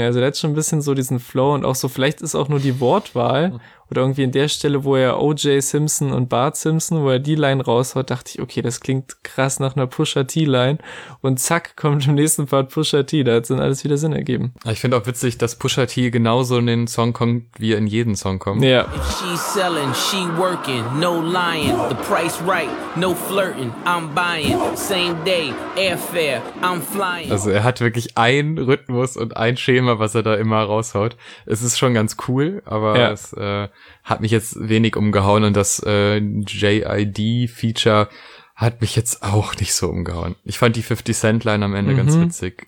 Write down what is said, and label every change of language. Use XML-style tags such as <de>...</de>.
<de>Also der hat schon ein bisschen so diesen Flow und auch so, vielleicht ist auch nur die Wortwahl oder irgendwie in der Stelle, wo er O.J. Simpson und Bart Simpson, wo er die Line raushaut, dachte ich, okay, das klingt krass nach einer Pusha T-Line und zack, kommt im nächsten Part Pusha T. Da hat es dann alles wieder Sinn ergeben. Ich finde auch witzig, dass Pusha T genauso in den Song kommt, wie er in jeden Song kommt. Ja.</de> <en>If she's selling, she working, no lying, the price right, no flirting, I'm buying, same day, airfare, I'm flying.</en> <de>Also er hat wirklich einen Rhythmus und ein Schema, was er da immer raushaut. Es ist schon ganz cool, aber ja, es hat mich jetzt wenig umgehauen und das JID-Feature hat mich jetzt auch nicht so umgehauen. Ich fand die 50-Cent-Line am Ende ganz witzig.</de>